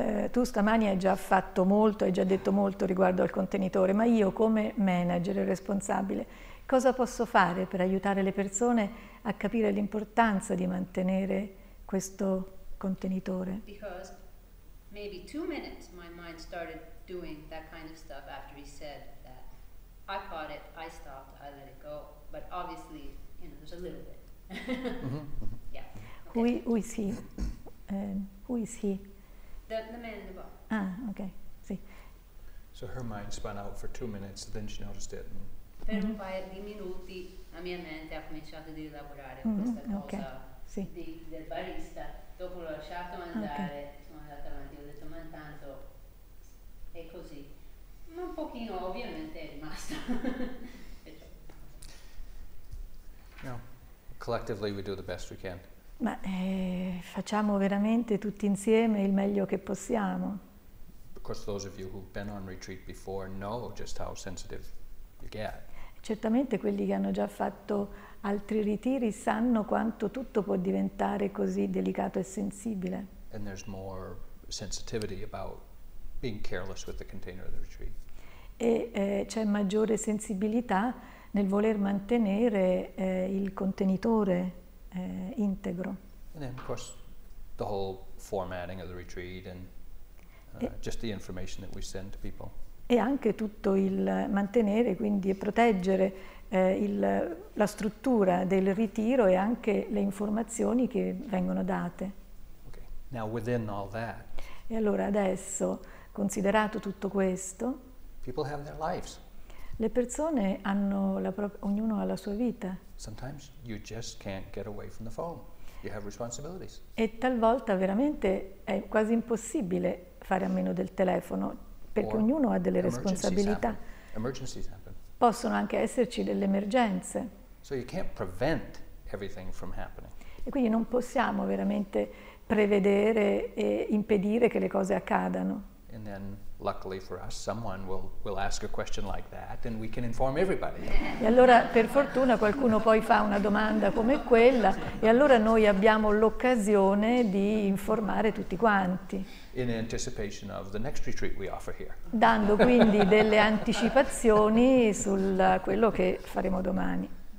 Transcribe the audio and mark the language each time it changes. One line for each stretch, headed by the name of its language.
Italian: Tu stamani hai già fatto molto, hai già detto molto riguardo al contenitore, ma io come manager responsabile cosa posso fare per aiutare le persone a capire l'importanza di mantenere questo contenitore?
English: Because maybe 2 minutes my mind started doing that kind of stuff after he said that. I caught it, I stopped, I let it go, but obviously, you know, there's a little bit. Yeah. Okay. Who is he? Who is he? The man in the bar.
Italian: Ah, okay. Sì.
English: So her mind spun out for 2 minutes, then she noticed it. And
Italian: per un paio di minuti la mia mente ha cominciato di lavorare questa cosa, okay. Del barista. Dopo l'ho lasciato andare, okay. Sono andata avanti, ho detto, ma intanto è così. Ma un pochino ovviamente è rimasto.
English: No. Collectively we do the best we can.
Italian: Ma facciamo veramente tutti insieme il meglio che possiamo.
English: Of course, those of you who've been on retreat before know just how sensitive you get.
Italian: Certamente quelli che hanno già fatto altri ritiri sanno quanto tutto può diventare così delicato e sensibile.
English: And there's more sensitivity about being careless with the container of the retreat.
Italian: C'è maggiore sensibilità nel voler mantenere il contenitore integro.
English: And then of course the whole formatting of the retreat and just the information that we send to people.
Italian: E anche tutto il mantenere, quindi, e proteggere la struttura del ritiro e anche le informazioni che vengono date.
English: Okay. Now within all that.
Italian: E allora adesso, considerato tutto questo,
English: people have their lives.
Italian: Le persone hanno ognuno ha la sua vita.
English: Sometimes you just can't get away from the phone. You have responsibilities.
Italian: E talvolta veramente è quasi impossibile fare a meno del telefono, perché ognuno ha delle responsabilità.
English: Emergencies happen.
Italian: Possono anche esserci delle emergenze.
English: So you can't prevent everything from happening.
Italian: E quindi non possiamo veramente prevedere e impedire che le cose accadano.
English: And then luckily for us someone will ask a question like that and we can inform everybody.
Italian: E allora per fortuna qualcuno poi fa una domanda come quella e allora noi abbiamo l'occasione di informare tutti quanti.
English: In anticipation of the next retreat we offer here.
Italian: Dando quindi delle anticipazioni sul quello che faremo domani.